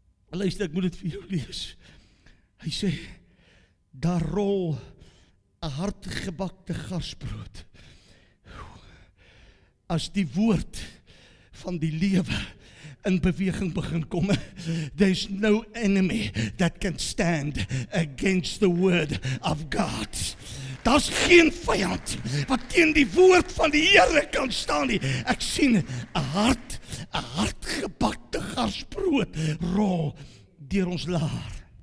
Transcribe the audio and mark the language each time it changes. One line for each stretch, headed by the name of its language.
Afrikaans: Luister, ek moet dit vir jou lees. Hy sê, daar rol 'n hardgebakte garsbrood as die woord van die lewe in beweging begin kom.
English: There's no enemy that can stand against the word of God.
Afrikaans: Daar's geen vyand wat teen die woord van die Here kan staan nie. Ek sien 'n hardgebakte garsbrood rol deur ons laar.